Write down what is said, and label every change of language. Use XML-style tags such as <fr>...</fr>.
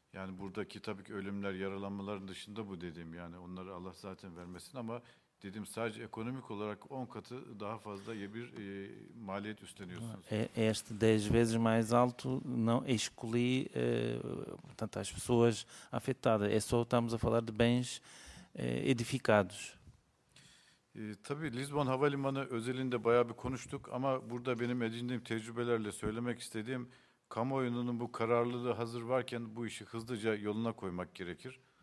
<tr>Yani buradaki tabii ki ölümler, yaralanmaların dışında bu dediğim, yani onları Allah zaten vermesin ama dedim sadece ekonomik olarak 10 katı daha fazla bir maliyet üstleniyorsunuz.</tr> <pt>Este 10 vezes mais alto não exclui as pessoas afetadas. É só estamos a falar de bens edificados.</pt> <tr>Tabii Lisbon Havalimanı özelinde bayağı bir konuştuk ama burada benim edindiğim tecrübelerle söylemek istediğim kamuoyunun bu kararlılığı hazır varken bu işi hızlıca yoluna koymak gerekir.</tr>